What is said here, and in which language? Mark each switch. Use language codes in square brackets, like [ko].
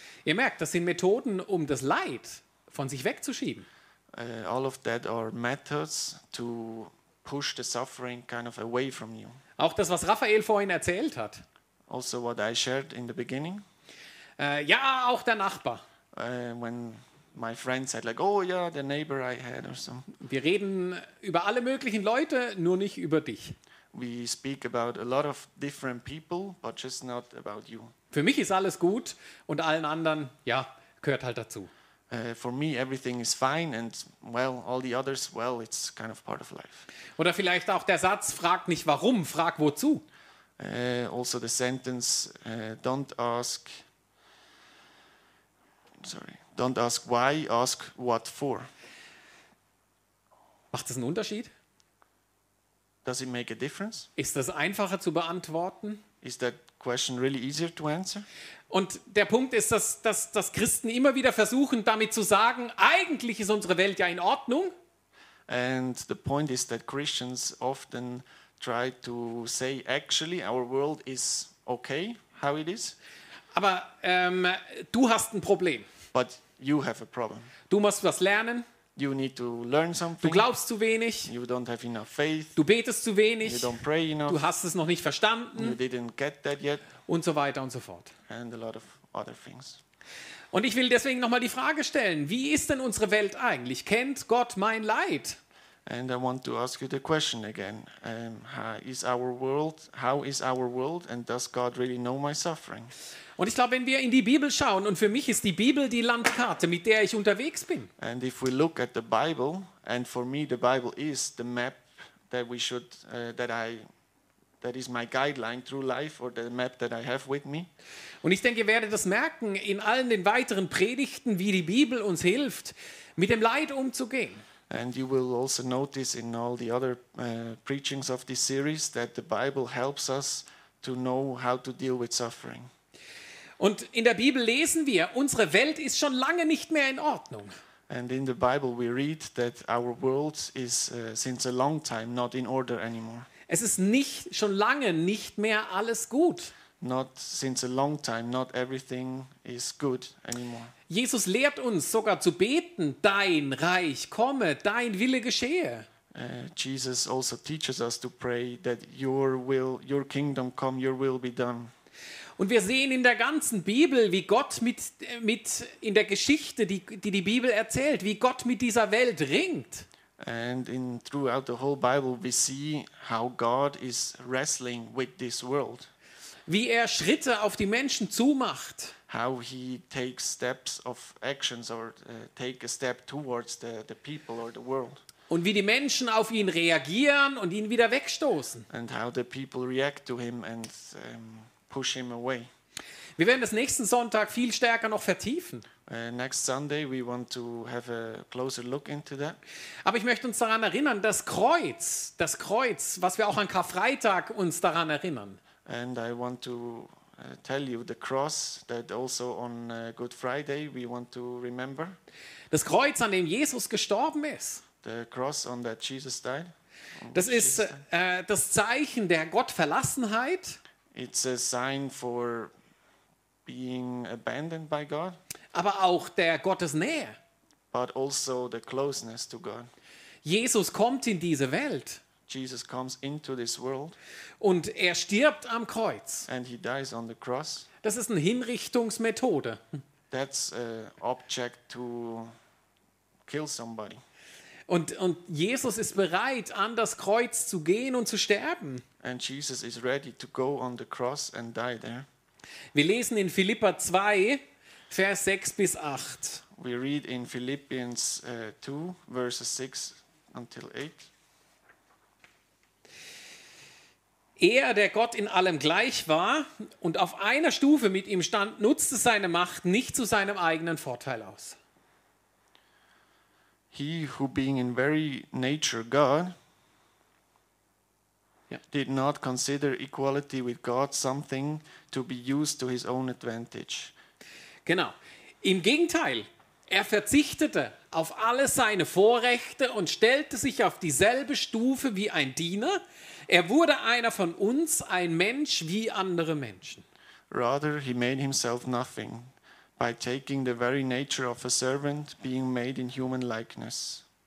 [de] Ihr merkt, das sind Methoden, um das Leid von sich wegzuschieben. [en] All of that are methods to push the suffering kind of away from you. [de] Auch das, was Raphael vorhin erzählt hat. [en] Also what I shared in the beginning. [de] Ja, auch der Nachbar. [en] When my friend said like, oh yeah, the neighbor I had or so. [de] Wir reden über alle möglichen Leute, nur nicht über dich. [en] We speak about a lot of different people, but just not about you. [de] Für mich ist alles gut und allen anderen, ja, gehört halt dazu. [en] For me everything is fine and well all the others well it's kind of part of life. [de] Oder vielleicht auch der Satz frag nicht warum, frag wozu. [en] Also the sentence don't ask why, ask what for. [de] Macht das einen Unterschied? [en] Does it make a difference? [de] Ist das einfacher zu beantworten? [en] Is that question really easier to answer? [de] Und der Punkt ist, dass Christen immer wieder versuchen, damit zu sagen, eigentlich ist unsere Welt ja in Ordnung. [en] And the point is that Christians often try to say, actually, our world is okay, how it is. [de] Aber du hast ein Problem. [en] But you have a problem. [de] Du musst was lernen. [en] You need to learn something. [de] Du glaubst zu wenig. [en] You don't have enough faith. [de] Du betest zu wenig. [en] You don't pray enough. [de] Du hast es noch nicht verstanden. [en] You didn't get that yet. [de] Und so weiter und so fort. [en] And a lot of other things. [de] Und ich will deswegen nochmal die Frage stellen, wie ist denn unsere Welt eigentlich? Kennt Gott mein Leid? [en] And I want to ask you the question again. How is our world and does God really know my suffering? [de] Und ich glaube, wenn wir in die Bibel schauen, und für mich ist die Bibel die Landkarte, mit der ich unterwegs bin. [en] And if we look at the Bible, and for me the Bible is the map that we should, that I that is my guideline through life or the map that I have with me. [de] Und ich denke, ihr werdet das merken in allen den weiteren Predigten, wie die Bibel uns hilft, mit dem Leid umzugehen. [en] And you will also notice in all the other preachings of this series that the Bible helps us to know how to deal with suffering. [de] Und in der Bibel lesen wir, unsere Welt ist schon lange nicht mehr in Ordnung. [en] And in the Bible we read that our world is since a long time not in order anymore. [de] Es ist nicht schon lange nicht mehr alles gut. [en] Not since a long time not everything is good anymore. [de] Jesus lehrt uns sogar zu beten, dein Reich komme, dein Wille geschehe. [en] Jesus also teaches us to pray that your will, your kingdom come, your will be done. [de] Und wir sehen in der ganzen Bibel, wie Gott mit in der Geschichte, die Bibel erzählt, wie Gott mit dieser Welt ringt. [en] And in throughout the whole Bible we see how God is wrestling with this world. [de] Wie er Schritte auf die Menschen zumacht. [en] How he takes steps of actions or take a step towards the people or the world. [de] Und wie die Menschen auf ihn reagieren und ihn wieder wegstoßen. [en] And how the people react to him and push him away. [de] Wir werden das nächsten Sonntag viel stärker noch vertiefen. [en] Next Sunday we want to have a closer look into that. [de] Aber ich möchte uns daran erinnern, das Kreuz, was wir auch an Karfreitag uns daran erinnern. [en] And I want to tell you the cross that also on Good Friday we want to remember. [de] Das Kreuz, an dem Jesus gestorben ist. [en] The cross on that Jesus died. [de] Das ist das Zeichen der Gottverlassenheit. [en] It's a sign for being abandoned by God. [de] Aber auch der Gottesnähe. [en] But also the closeness to God. [de] Jesus kommt in diese Welt. [en] Jesus comes into this world. [de] Und er stirbt am Kreuz. [en] And he dies on the cross. [de] Das ist eine Hinrichtungsmethode. [en] That's an object to kill somebody. [de] Und Jesus ist bereit, an das Kreuz zu gehen und zu sterben. [en] And Jesus is ready to go on the cross and die there. [de] Wir lesen in Philipper 2, Vers 6 bis 8. [en] We read in Philippians 2, verses 6 until 8. [de] Er, der Gott in allem gleich war und auf einer Stufe mit ihm stand, nutzte seine Macht nicht zu seinem eigenen Vorteil aus. [en] He who being in very nature God did not consider equality with God something to be used to his own advantage. [de] Genau. Im Gegenteil, er verzichtete auf alle seine Vorrechte und stellte sich auf dieselbe Stufe wie ein Diener. Er wurde einer von uns, ein Mensch wie andere Menschen. [en] Rather, he made himself nothing by taking the very nature of a servant, being made in human likeness.